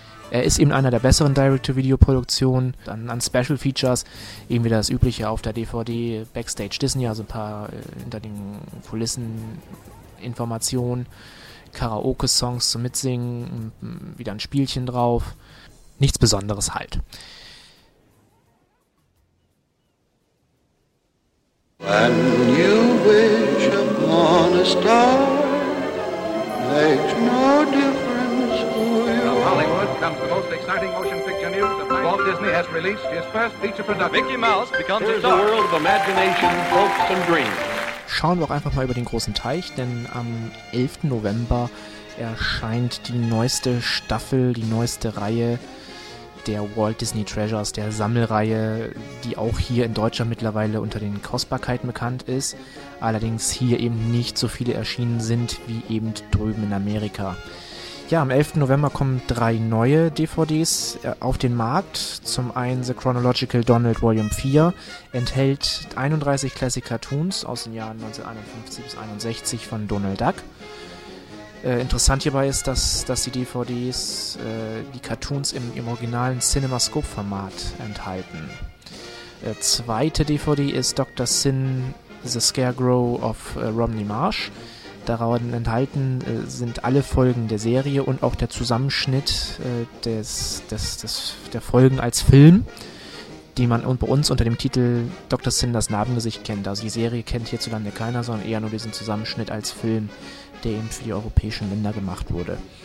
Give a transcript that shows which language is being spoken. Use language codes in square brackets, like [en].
[de] Er ist eben einer der besseren Direct-to-Video-Produktionen. Dann an Special Features, eben wieder das Übliche auf der DVD, Backstage Disney, also ein paar hinter den Kulissen Informationen, Karaoke-Songs zum Mitsingen, wieder ein Spielchen drauf. Nichts Besonderes halt. [en] When you wish upon a star, makes no difference who you are. From Hollywood comes the most exciting motion picture news. Walt Disney has released his first feature production. Mickey Mouse becomes a star. A world of imagination, hopes and dreams. [de] Schauen wir auch einfach mal über den großen Teich, denn am 11. November erscheint die neueste Staffel, die neueste Reihe der Walt Disney Treasures, der Sammelreihe, die auch hier in Deutschland mittlerweile unter den Kostbarkeiten bekannt ist, allerdings hier eben nicht so viele erschienen sind wie eben drüben in Amerika. Ja, am 11. November kommen drei neue DVDs auf den Markt. Zum einen The Chronological Donald Volume 4 enthält 31 Classic Cartoons aus den Jahren 1951 bis 1961 von Donald Duck. Interessant hierbei ist, dass die DVDs die Cartoons im originalen CinemaScope-Format enthalten. Zweite DVD ist Dr. Sin, The Scarecrow of Romney Marsh. Daran enthalten sind alle Folgen der Serie und auch der Zusammenschnitt der Folgen als Film, die man bei uns unter dem Titel Dr. Sin das Narbengesicht kennt. Also die Serie kennt hierzulande keiner, sondern eher nur diesen Zusammenschnitt als Film, der eben für die europäischen Länder gemacht wurde.